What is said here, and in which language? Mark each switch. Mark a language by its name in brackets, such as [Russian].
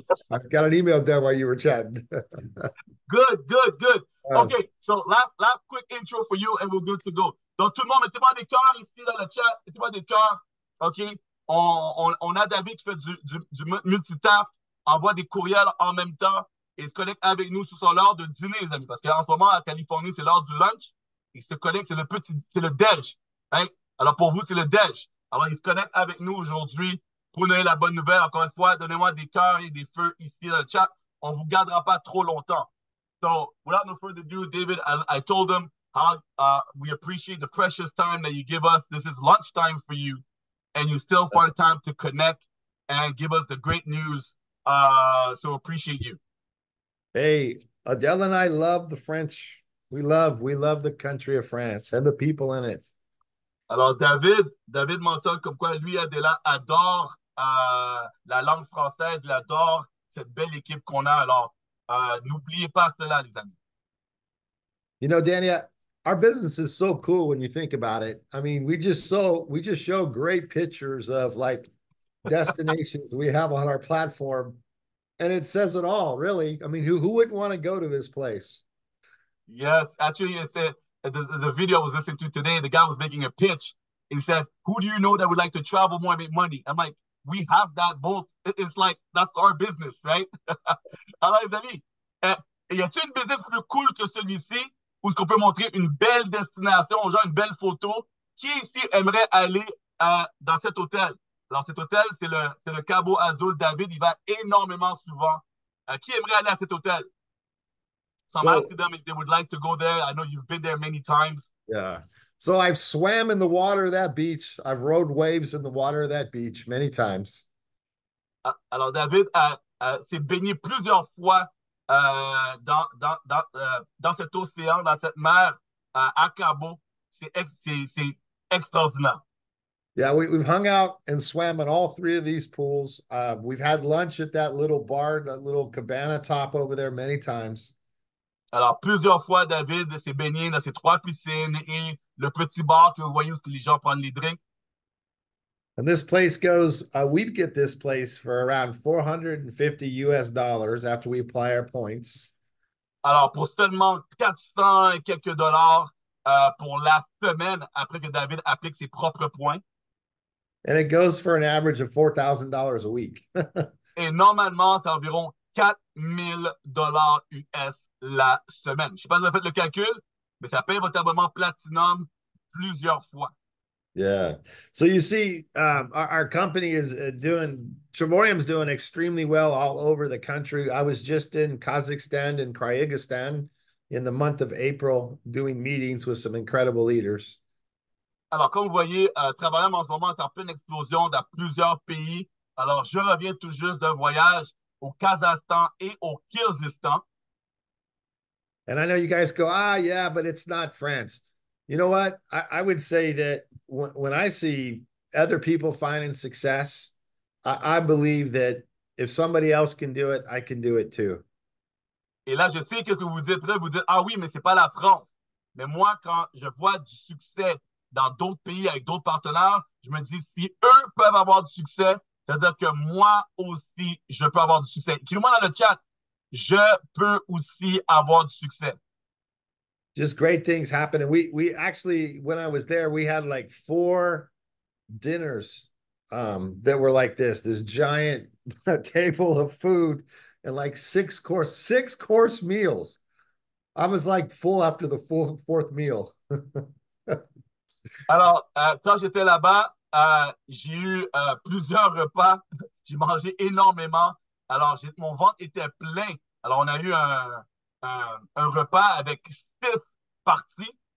[English] I've got an email done while you were chatting. good. Oh. OK, so last quick intro for you and we're good to go. [French] Donc, tout le monde, mettez-moi des cœurs ici dans le chat. Mettez-moi des cœurs. OK? On a David qui fait du multitask, envoie des courriels en même temps et se connecte avec nous sur l'heure de dîner, les amis. Parce qu'en ce moment, en Californie, c'est l'heure du lunch. Il se connecte, c'est le déj. Hein? Alors, pour vous, c'est le déj. Alors, il se connecte avec nous aujourd'hui pour nous donner la bonne nouvelle. Encore une fois, donnez-moi des cœurs et des feux ici dans le chat. On ne vous gardera pas trop longtemps. [English] So, without no further ado, David, I told him how we appreciate the precious time that you give us. This is lunchtime for you, and you still find time to connect and give us the great news. So, appreciate you. Hey, Adele and I love the French. We love the country of France and the people in it. [French] Alors, David mentionne comme quoi lui, Adela, adore la langue française, il adore cette belle équipe qu'on a. Alors, n'oubliez pas cela, les amis. [English] You know, Dania, our business is so cool when you think about it. I mean, we just show great pictures of like destinations we have on our platform. And it says it all, really. I mean, who wouldn't want to go to this place? Yes, actually, it said the video I was listening to today, the guy was making a pitch. He said, "Who do you know that would like to travel more and make money?" I'm like, we have that both. It's like that's our business, right? [French] Alors, les amis, y a-t-il une business plus cool que celui-ci où est-ce qu'on peut montrer une belle destination aux gens, une belle photo? Qui ici aimerait aller dans cet hôtel? Alors, cet hôtel, c'est le Cabo Azul. David, il va énormément souvent. Qui aimerait aller à cet hôtel? [English] So I'm asking So, them if they would like to go there. I know you've been there many times. yeah. So I've swam in the water of that beach. I've rode waves in the water of that beach many times. [French] Alors, David s'est baigné plusieurs fois dans cet océan, dans cette mer à Cabo. C'est extraordinaire. [English] Yeah, we've hung out and swam in all three of these pools. We've had lunch at that little bar, that little cabana top over there many times. [French] Alors, plusieurs fois, David s'est baigné dans ces trois piscines et le petit bar que vous voyez où les gens prennent les drinks. [English] And this place goes, we get this place for around 450 US dollars after we apply our points. [French] Alors, pour seulement 400 et quelques dollars pour la semaine après que David applique ses propres points. [English] And it goes for an average of $4,000 a week. [French] Et normalement, c'est environ 4 000 dollars US la semaine. Je ne sais pas si vous avez fait le calcul, mais ça paye votre abonnement Platinum plusieurs fois. [English] Yeah. So you see, our company is doing, Travorium's doing extremely well all over the country. I was just in Kazakhstan and Kyrgyzstan in the month of April doing meetings with some incredible leaders. [French] Alors, comme vous voyez, Travorium en ce moment est en pleine explosion dans plusieurs pays. Alors, je reviens tout juste d'un voyage au Kazakhstan et au Kyrgyzstan. [English] And I know you guys go, ah, yeah, but it's not France. You know what? I would say that when I see other people finding success, I believe that if somebody else can do it, I can do it too. [French] Et là, je sais que ce que vous dites, là, vous dites, ah oui, mais c'est pas la France. Mais moi, quand je vois du succès dans d'autres pays avec d'autres partenaires, je me dis, si eux peuvent avoir du succès, c'est-à-dire que moi aussi, je peux avoir du succès. Écrivez-moi dans le chat, je peux aussi avoir du succès. [English] Just great things happen. And we actually, when I was there, we had like 4 dinners that were like this, this giant table of food and like six course meals. I was like full after the fourth meal. [French] Alors, quand j'étais là-bas, j'ai eu plusieurs repas. J'ai mangé énormément. Alors, mon ventre était plein. Alors, on a eu un repas avec 6 parties.